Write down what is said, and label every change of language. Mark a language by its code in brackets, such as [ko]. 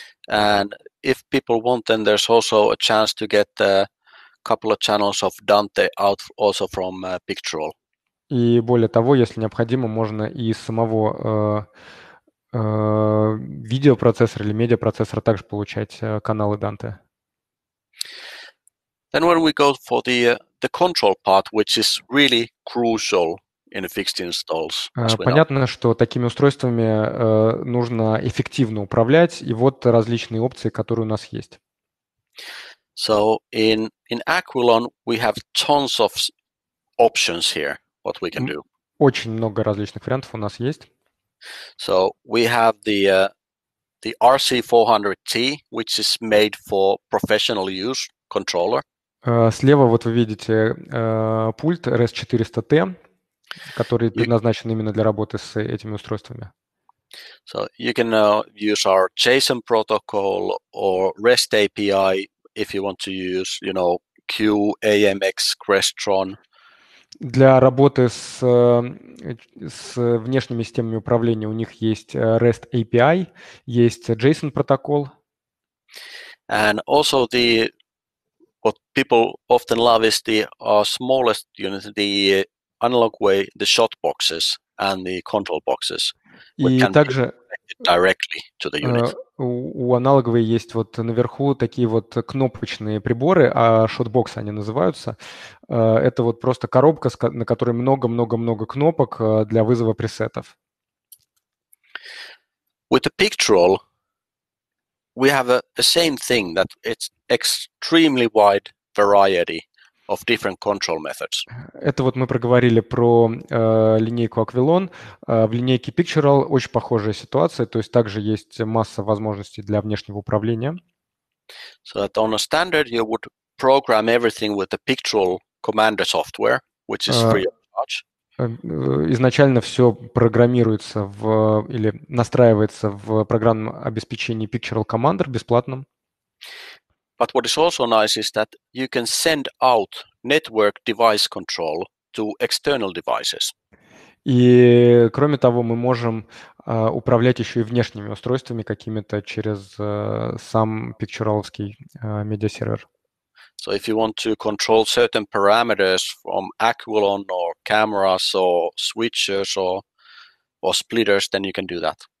[en] And if people want, then there's also a chance to get a couple of channels of Dante out also from Picturall. [ru] И более того, если необходимо, можно и самого видеопроцессора или медиапроцессора также получать каналы Dante. [en] Then when we go for the control part, which is really crucial in fixed installs. [ru] Понятно, что такими устройствами нужно эффективно управлять, и вот различные опции, которые у нас есть. [en] So in Aquilon we have tons of options here. What we can do. [ru] Очень много различных вариантов у нас есть. [en] So we have the RC400T, which is made for professional use controller. [ru] Слева вот вы видите пульт RS400T, который предназначен именно для работы с этими устройствами. [en] So you can use our JSON protocol or REST API if you want to use, you know, QAMX, Crestron. [ru] Для работы с внешними системами управления у них есть REST API, есть JSON протокол. [en] And also the what people often love is the smallest unit, the analog way, the shot boxes and the control boxes. [ru] И также [en] directly to the unit. [ru] У аналоговой есть вот наверху такие вот кнопочные приборы, а шотбоксы они называются. Это вот просто коробка, на которой много-много-много кнопок для вызова пресетов. [en] With the Picturall, we have the same thing, that it's extremely wide variety of different control methods. [ru] Это вот мы проговорили про линейку Aquilon. В линейке Picturall очень похожая ситуация, то есть также есть масса возможностей для внешнего управления. [en] So that on a standard you would program everything with the Picturall commander software, which is free of charge. [ru] Изначально все программируется в или настраивается в программном обеспечении Picturall Commander бесплатном. [en] But what is also nice is that you can send out network device control to external devices. [ru] И кроме того, мы можем управлять еще и внешними устройствами какими-то через сам Picturall-овский медиа-сервер. [en] So if you want to control certain parameters from Aquilon or cameras or switches or splitters, then you can do that.